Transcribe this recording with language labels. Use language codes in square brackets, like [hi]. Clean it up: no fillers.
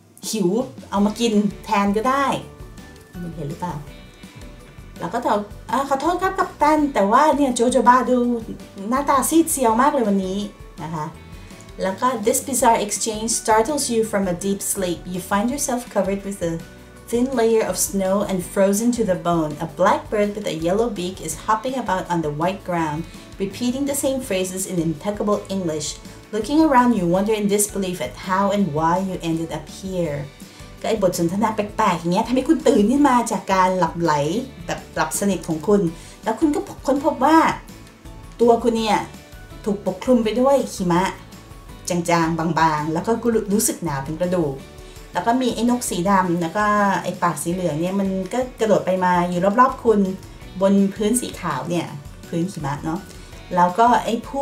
[th] หิวเอามากินแทนก็ได้มึงเห็นหรือเปล่าแล้วก็ตอบขอโทษครับกัปตันแต่ว่าเนี่ยโจโจบ้าดูหน้าตาซีดเซียวมากเลยวันนี้นะคะแล้วก็ [en] This bizarre exchange startles you from a deep sleep you find yourself covered with a thin layer of snow and frozen to the bone. A blackbird with a yellow beak is hopping about on the white ground, repeating the same phrases in impeccable English. Looking around, you wonder in disbelief at how and why you ended up here. [th] ก็ไอ้บทสนทนาแปลกๆอย่างเงี้ยทำให้คุณตื่นขึ้นมาจากการหลับไหลแบบหลับสนิทของคุณแล้วคุณก็ค้นพบว่าตัวคุณเนี่ยถูกปกคลุมไปด้วยหิมะจางๆบางๆแล้วก็รู้สึกหนาวถึงกระดูกแล้วก็มีไอ้นกสีดำแล้วก็ไอ้ปากสีเหลืองเนี่ยมันก็กระโดดไปมาอยู่รอบๆคุณบนพื้นสีขาวเนี่ยพื้นหิมะเนาะแล้วก็ไอ้